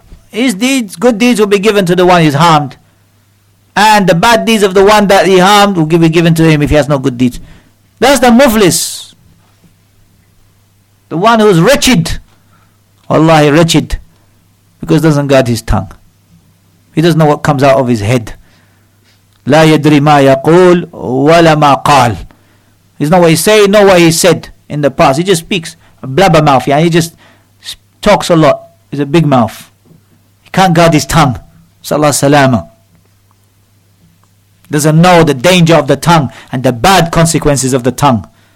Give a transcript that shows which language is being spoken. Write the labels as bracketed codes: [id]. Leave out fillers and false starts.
[en] His deeds, good deeds will be given to the one he's harmed. And the bad deeds of the one that he harmed will be given to him if he has no good deeds. That's the muflis. The one who's wretched. Wallahi, wretched. Because he doesn't guard his tongue. He doesn't know what comes out of his head. [ar] لا يدري ما يقول ولا ما قال. [en] He's not what he said, nor what he said in the past. He just speaks blabber mouth. Yeah, he just talks a lot. He's a big mouth. He can't guard his tongue. [ar] Sallallahu alayhi wa sallam. [en] Doesn't know the danger of the tongue and the bad consequences of the tongue.